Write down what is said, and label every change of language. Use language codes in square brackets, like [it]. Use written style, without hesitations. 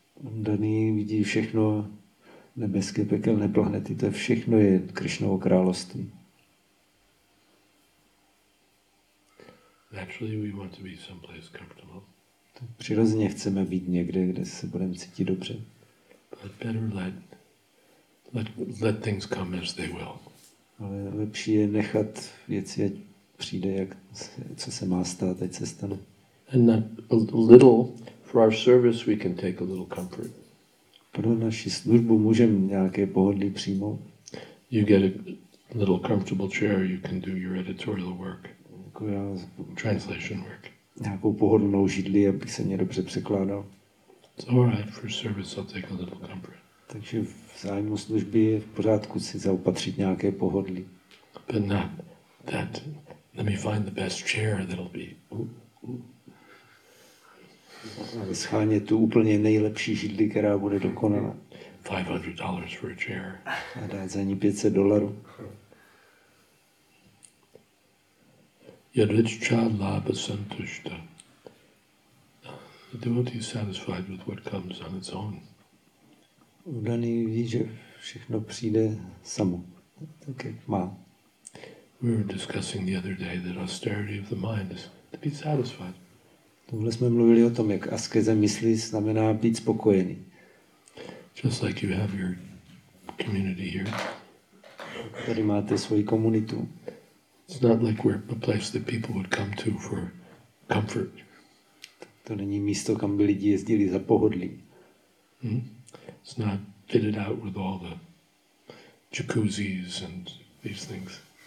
[cs] Daný vidí všechno nebeské pekelné planety, to je všechno je Krišnovo království. [en] Naturally we want to be someplace comfortable. [cs] Tak přirozeně chceme být někde, kde se budeme cítit dobře. [en] But better let things come as they will. [cs] Ale lepší je nechat věci, ať přijde, jak se, co se má stát, ať se stane. [en] And a little for our service we can take a little comfort. [cs] Pro naši službu můžeme nějaké pohodlí přijmout. [en] You get a little comfortable chair, you can do your editorial work. Translation work. [cs] Nějakou pohodlnou židli, abych se mě dobře překládal. [en] It's all right for service, I'll take a little comfort. [cs] Takže v zájmu služby je v pořádku si zaopatřit nějaké pohodlí. [en] But not that. Let me find the best chair that'll be. [cs] Ale schánět tu úplně nejlepší židli, která bude dokonalá. [en] $500 for a chair. [cs] A dát za ní $500. [sa] Yadvichcha labha santushta. [en] The devotee is satisfied with what comes on its own. [cs] Udaný ví, že všechno přijde samo. Tak jak má. [en] We were discussing the other day that austerity of the mind is to be satisfied. [cs] Tohle jsme mluvili o tom, jak askeze mysli znamená být spokojený. [en] Just like you have your community here. [cs] Tady máte svoji komunitu. [en] It's not like we're a place that people would come to for comfort. [cs] To není místo, kam by lidi jezdili za pohodlí. [en] It's not fitted out with all the jacuzzis and these things.